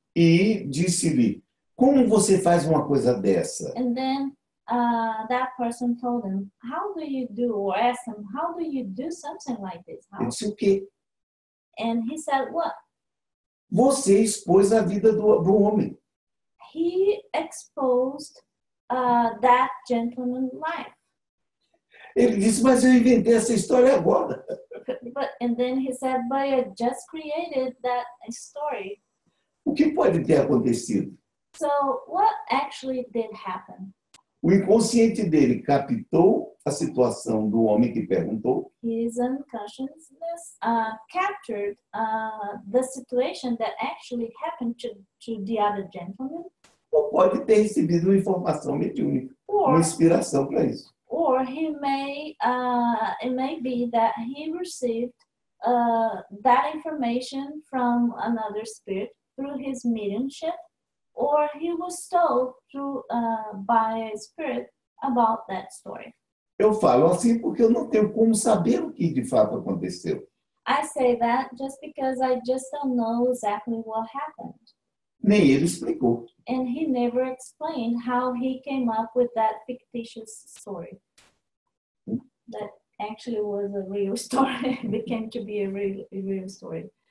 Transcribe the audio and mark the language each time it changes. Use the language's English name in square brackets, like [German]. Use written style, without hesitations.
[Portuguese] E disse-lhe, como você faz uma coisa dessa? [English] And then that person told him, how do you do, or asked him, how do you do something like this? [Portuguese] Ele disse, o quê? [English] And he said, what? [Portuguese] Você expôs a vida do homem. [English] He exposed that gentleman's life. [Portuguese] Ele disse, mas eu inventei essa história agora. [English] And then he said, but I just created that story. [Portuguese] O que pode ter acontecido? [English] So, what actually did happen? [Portuguese] O inconsciente dele captou a situação do homem que perguntou. [English] His unconsciousness captured the situation that actually happened to the other gentleman. [Portuguese] Ou pode ter recebido uma informação mediúnica, uma inspiração para isso. [English] before, it may be that he received that information from another spirit through his mediumship, or he was told by a spirit about that story. [Portuguese] Eu falo assim porque eu não tenho como saber o que de fato aconteceu. [English] I say that just because I just don't know exactly what happened. [Portuguese] Nem ele explicou. [English] And he never explained how he came up with that fictitious story. That actually was a real story. It became to be a real story.